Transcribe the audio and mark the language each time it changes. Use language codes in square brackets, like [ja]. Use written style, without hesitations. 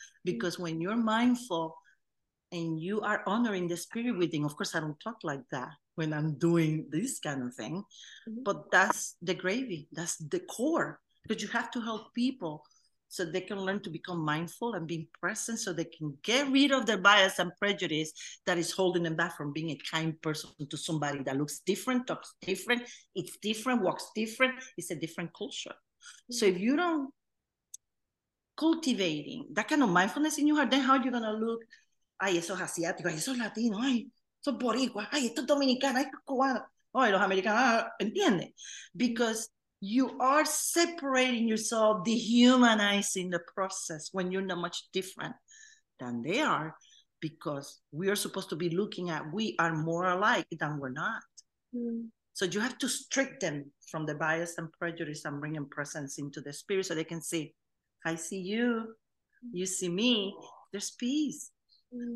[en] Because when you're mindful and you are honoring the spirit within, of course, I don't talk like that when I'm doing this kind of thing, but that's the gravy, that's the core, because you have to help people so they can learn to become mindful and being present so they can get rid of their bias and prejudice that is holding them back from being a kind person to somebody that looks different, talks different, eats different, walks different, it's a different culture. Mm-hmm. So if you don't cultivating that kind of mindfulness in your heart, then how are you going to look? [es] Ay, esos asiáticos, ay, esos latinos, ay, esos boricuas, ay, estos dominicanos, ay, cubanos, ay, los americanos, ah, ¿entiende? [en] Because you are separating yourself, dehumanizing the process when you're not much different than they are, because we are supposed to be looking at, we are more alike than we're not. Mm. So you have to strip them from the bias and prejudice and bring them presence into the spirit so they can see, I see you, you see me, there's peace. Mm.